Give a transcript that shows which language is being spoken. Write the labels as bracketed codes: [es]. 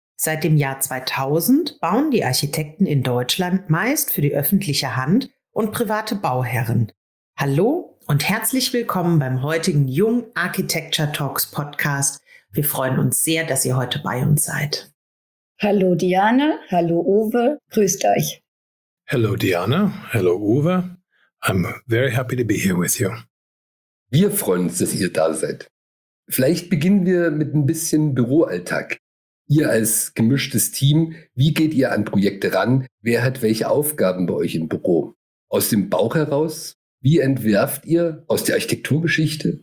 [de] Seit dem Jahr 2000 bauen die Architekten in Deutschland meist für die öffentliche Hand und private Bauherren. Hallo und herzlich willkommen beim heutigen Jung Architecture Talks Podcast. Wir freuen uns sehr, dass ihr heute bei uns seid. Hallo Diane, hallo Uwe, grüßt euch. [en] Hallo Diane, hallo Uwe, I'm very happy to be here with you. [de] Wir freuen uns, dass ihr da seid. Vielleicht beginnen wir mit ein bisschen Büroalltag. Ihr als gemischtes Team, wie geht ihr an Projekte ran? Wer hat welche Aufgaben bei euch im Büro? Aus dem Bauch heraus, wie entwerft ihr aus der Architekturgeschichte?